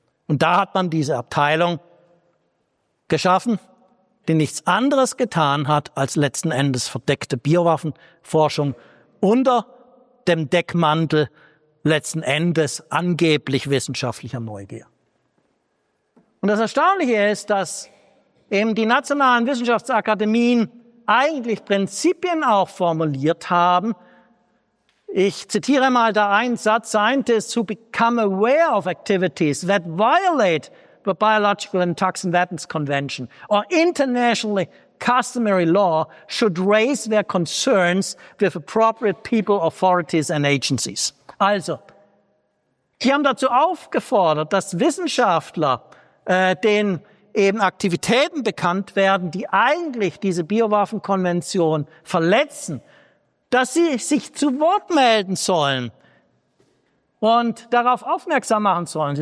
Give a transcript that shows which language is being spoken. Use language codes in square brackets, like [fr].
[de] Und da hat man diese Abteilung geschaffen, die nichts anderes getan hat, als letzten Endes verdeckte Biowaffenforschung unter dem Deckmantel letzten Endes angeblich wissenschaftlicher Neugier. Und das Erstaunliche ist, dass eben die nationalen Wissenschaftsakademien eigentlich Prinzipien auch formuliert haben. Ich zitiere mal da einen Satz, [en] Scientists who become aware of activities that violate the Biological and Toxin Weapons Convention or internationally customary law should raise their concerns with appropriate people, authorities and agencies. [de] Also, die haben dazu aufgefordert, dass Wissenschaftler, denen eben Aktivitäten bekannt werden, die eigentlich diese Biowaffenkonvention verletzen, dass sie sich zu Wort melden sollen und darauf aufmerksam machen sollen.